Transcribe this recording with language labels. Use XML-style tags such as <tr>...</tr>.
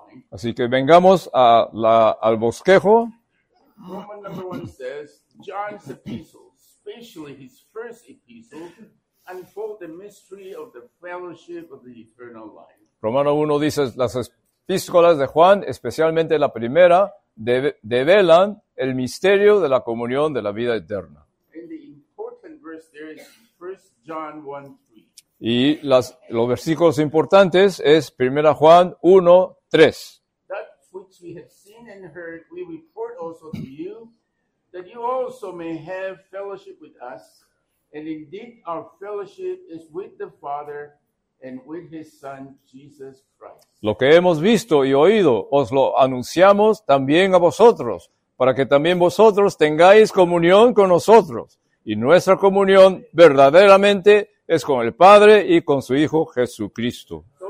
<es>Así que vengamos al bosquejo.</es> <en>Roman number one says, John's epistle, especially his first epistle, unfold the mystery of the fellowship of the eternal life.</en> <es>Romano 1 dice, las epístolas de Juan, especialmente la primera, develan el misterio de la comunión de la vida eterna.</es> <en>And the important verse there is 1 John 1, 3.</en> <es>Y los versículos importantes es 1 Juan 1, 3.</es> <en>That which we have seen and heard, we report also to you, that you also may have fellowship with us. And indeed, our fellowship is with the Father and with his Son, Jesus Christ.</en> <es>Lo que hemos visto y oído, os lo anunciamos también a vosotros, para que también vosotros tengáis comunión con nosotros. Y nuestra comunión verdaderamente es con el Padre y con su Hijo Jesucristo.</es>